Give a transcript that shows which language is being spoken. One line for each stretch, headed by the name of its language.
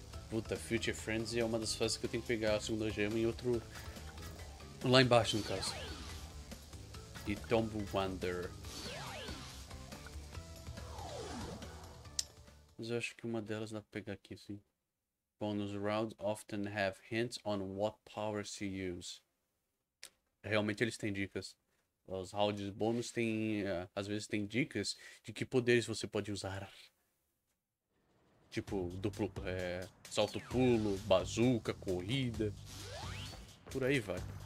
Portuguese: Puta, Future Frenzy é uma das fases que eu tenho que pegar a segunda gema e outro lá embaixo, no caso. E Tomb Wander. Mas eu acho que uma delas dá pra pegar aqui, sim.
English: Bonus rounds often have hints on what powers to use.
Portuguese: Realmente eles têm dicas. Os rounds bônus têm, às vezes têm dicas de que poderes você pode usar. Tipo, duplo, salto pulo, bazuca, corrida. Por aí vai.